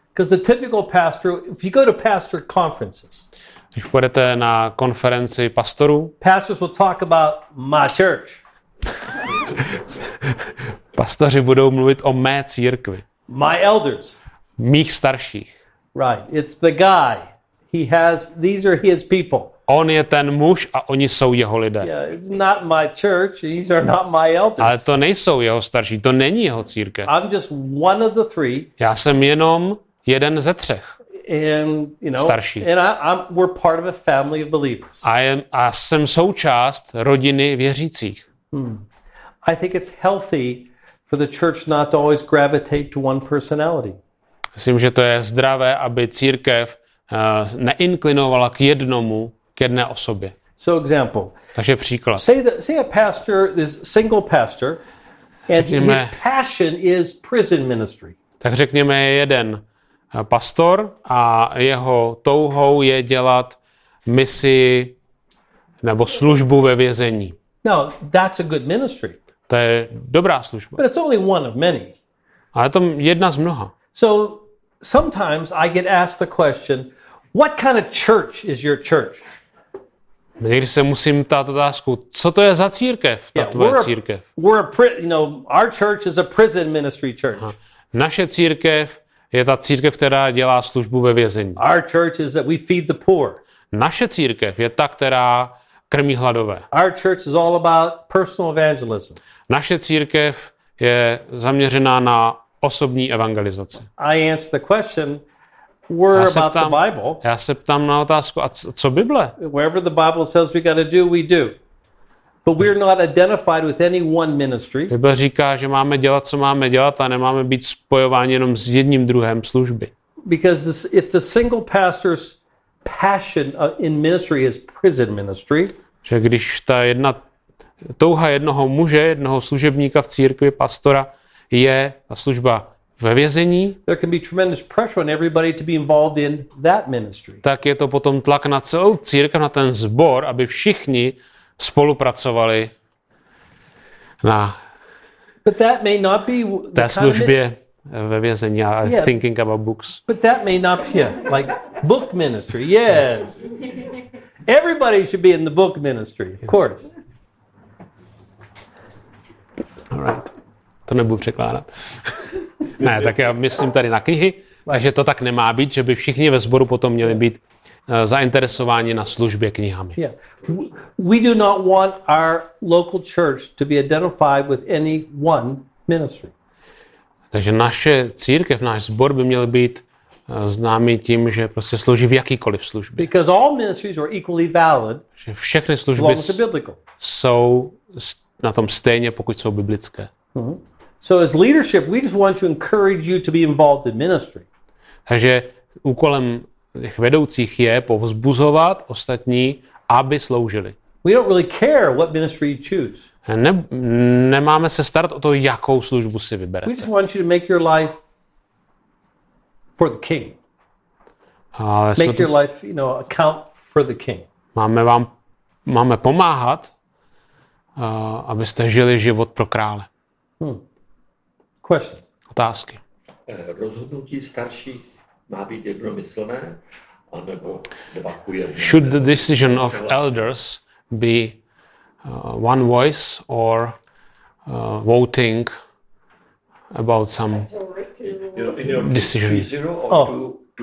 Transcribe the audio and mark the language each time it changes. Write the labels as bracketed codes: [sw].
[en] Because the typical pastor, if you go to pastor conferences, [cs] když půjdete na konferenci pastorů, [en] pastors will talk about my church. [cs] Pastoři budou mluvit o mé církvi. [en] My elders. [cs] Mých starších. [en] Right, it's the guy. He has, these are his people. [cs] On je ten muž a oni jsou jeho lidé. [en] Yeah, it's not my church, these are not my elders. [cs] Ale to nejsou jeho starší, to není jeho církev. [en] I'm just one of the three. [cs] Já jsem jenom jeden ze třech. [en] And, you know, [cs] starší. [en] And we're part of a family of believers. [cs] A jsem součást rodiny věřících. Hmm. [en] I think it's healthy for the church not to always gravitate to one personality. [cs] Myslím, že to je zdravé, aby církev neinklinovala k jednomu, k jedné osobě. [en] So example. [cs] Takže příklad. [en] Say a pastor is single pastor and [cs] řekněme, [en] his passion is prison ministry. [cs] Tak řekněme jeden pastor a jeho touhou je dělat misi nebo službu ve vězení. [en] No, that's a good ministry. [cs] To je dobrá služba. [en] But it's only one of many. [cs] Ale to jedna z mnoha. [en] So sometimes I get asked the question, what kind of church is your church? [cs] Někdy se musím ptát otázku, co to je za církev, ta yeah, tvoje církev? [en] Our church is a prison ministry church. Aha. [cs] Naše církev je ta církev, která dělá službu ve vězení. [en] Our church is that we feed the poor. [cs] Naše církev je ta, která krmí hladové. [en] Our church is all about personal evangelism. [cs] Naše církev je zaměřená na osobní evangelizaci. [en] I answer the question, where about the Bible? [cs] Já se ptám na otázku, a co Bible? [en] Wherever the Bible says we got to do, we do. But we're not identified with any one ministry. [cs] Bible říká, že máme dělat, co máme dělat, a nemáme být spojováni jenom s jedním druhem služby. [en] Because if the single pastor's passion in ministry is prison ministry, [cs] že když ta jedna touha jednoho muže, jednoho služebníka v církvi, pastora, je ta služba ve vězení, [en] there can be tremendous pressure on everybody to be involved in that ministry. [cs] Tak je to potom tlak na celou církev, na ten sbor, aby všichni spolupracovali na [en] but that may not be [cs] té službě ve vězení, yeah, [en] thinking about books. But that may not be like book ministry, yes. Everybody should be in the book ministry, of course. All right. [cs] To nebudu překládat. Ne, tak já myslím tady na knihy, takže to tak nemá být, že by všichni ve sboru potom měli být zainteresováni na službě knihami. [en] We do not want our local church to be identified with any one ministry. [cs] Takže naše církev, náš sbor by měl být známý tím, že prostě slouží v jakýkoliv službě. [en] Because all ministries are equally valid. [cs] Že všechny služby jsou na tom stejně, pokud jsou biblické. [en] So as leadership, we just want to encourage you to be involved in ministry. [cs] Takže úkolem těch vedoucích je povzbuzovat ostatní, aby sloužili. [en] We don't really care what ministry you choose. [cs] Nemáme se starat o to, jakou službu si vyberete. [en] We just want you to make your life for the king. Make your life, you know, account for the king. [cs] Máme pomáhat, abyste žili život pro krále. [en] Question. [cs] Otázky. Rozhodnutí starších má být jednomyslné, anebo dva ku jedné. [en] Should the decision of elders be one voice or voting about some decision?